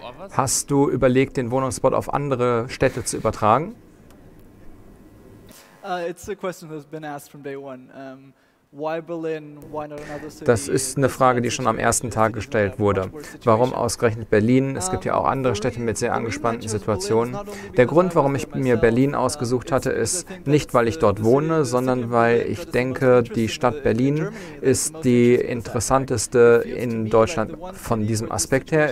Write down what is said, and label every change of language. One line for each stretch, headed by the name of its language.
German: Hast du überlegt, den Wohnungsbot auf andere Städte zu übertragen?
English: It's a question that's been asked from day one. Why Berlin? Why not another city?
German: Das ist eine Frage, die schon am ersten Tag gestellt wurde. Warum ausgerechnet Berlin? Es gibt ja auch andere Städte mit sehr angespannten Situationen. Der Grund, warum ich mir Berlin ausgesucht hatte, ist nicht, weil ich dort wohne, sondern weil ich denke, die Stadt Berlin ist die interessanteste in Deutschland von diesem Aspekt her.